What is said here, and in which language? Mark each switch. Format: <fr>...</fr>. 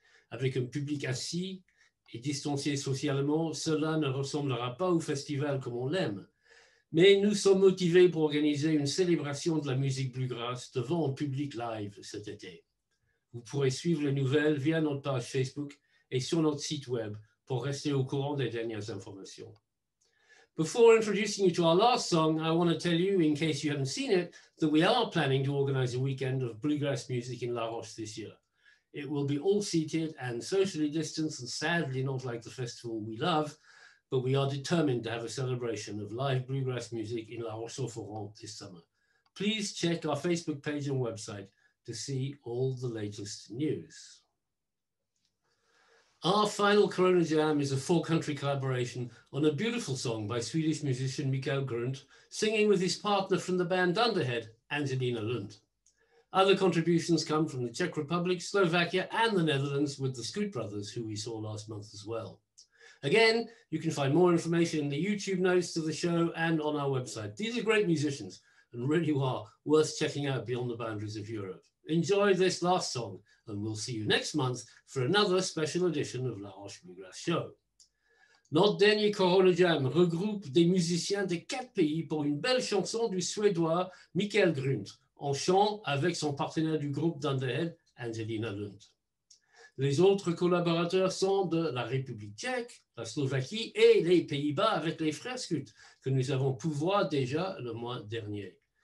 <fr>Avec un public assis et distancié socialement, cela ne ressemblera pas au festival comme on l'aime. Mais nous sommes motivés pour organiser une célébration de la musique bluegrass devant un public live cet été. Vous pourrez suivre les nouvelles via notre page Facebook et sur notre site web pour rester au courant des dernières informations.</fr> <en>Before introducing you to our last song, I want to tell you, in case you haven't seen it, that we are planning to organize a weekend of bluegrass music in La Roche this year. It will be all seated and socially distanced and sadly not like the festival we love, but we are determined to have a celebration of live bluegrass music in La Roche-sur-Foron this summer. Please check our Facebook page and website to see all the latest news. Our final Corona Jam is a four-country collaboration on a beautiful song by Swedish musician Mikael Grundt, singing with his partner from the band Dunderhead, Angelina Lund. Other contributions come from the Czech Republic, Slovakia, and the Netherlands with the Scoot Brothers, who we saw last month as well. Again, you can find more information in the YouTube notes to the show and on our website. These are great musicians, and really are worth checking out beyond the boundaries of Europe. Enjoy this last song, and we'll see you next month for another special edition of La Roche Bluegrass Show.</en> <fr>Notre dernier Corona Jam regroupe des musiciens des quatre pays pour une belle chanson du Suédois Mikael Grundt en chant avec son partenaire du groupe Dunderhead, Angelina Lund. Les autres collaborateurs sont de la République tchèque, la Slovaquie et les Pays-Bas avec les frères Skut que nous avons pu voir déjà le mois dernier.</fr>